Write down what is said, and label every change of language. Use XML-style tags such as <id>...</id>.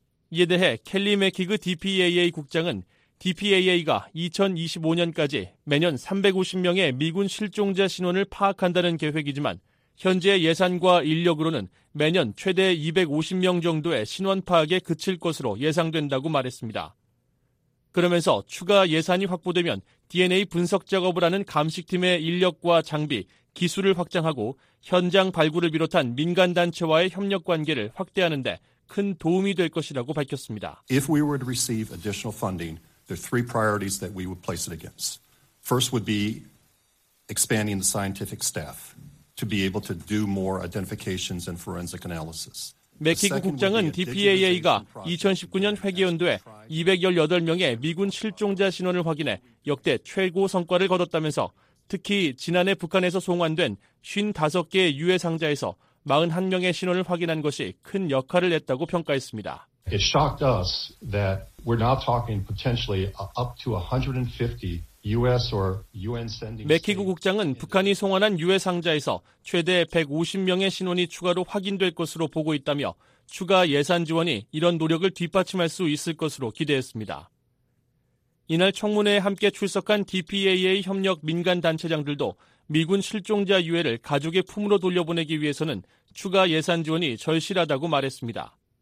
<ko>이에 대해 켈리 맥히그 DPAA 국장은 DPAA가 2025년까지 매년 350명의 미군 실종자 신원을 파악한다는 계획이지만 현재 예산과 인력으로는 매년 최대 250명 정도의 신원 파악에 그칠 것으로 예상된다고 말했습니다. 그러면서 추가 예산이 확보되면 DNA 분석 작업을 하는 감식팀의 인력과 장비, 기술을 확장하고 현장 발굴을 비롯한 민간단체와의 협력 관계를 확대하는 데 큰 도움이 될 것이라고 밝혔습니다.</ko> <en>If we were to receive additional funding, there are three priorities that we would place it against. First would be expanding the scientific staff. To be able to do more identifications and forensic analysis.</en> <ko>맥히그 국장은 DPAA가 2019년 회계 연도에 218명의 미군 실종자 신원을 확인해 역대 최고 성과를 거뒀다면서 특히 지난해 북한에서 송환된 55개의 유해 상자에서 41명의 신원을 확인한 것이 큰 역할을 했다고 평가했습니다.</ko> <en>It shocked us that we're now talking potentially up to 150 US or UN sending.</en> <ko>맥히그 국장은 북한이 송환한 유해 상자에서 최대 150명의 신원이 추가로 확인될 것으로 보고 있다며 추가 예산 지원이 이런 노력을 뒷받침할 수 있을 것으로 기대했습니다. 이날 청문회에 함께 출석한 DPAA 협력 민간 단체장들도 미군 실종자 유해를 가족의 품으로 돌려보내기 위해서는 추가 예산 지원이 절실하다고 말했습니다.</ko>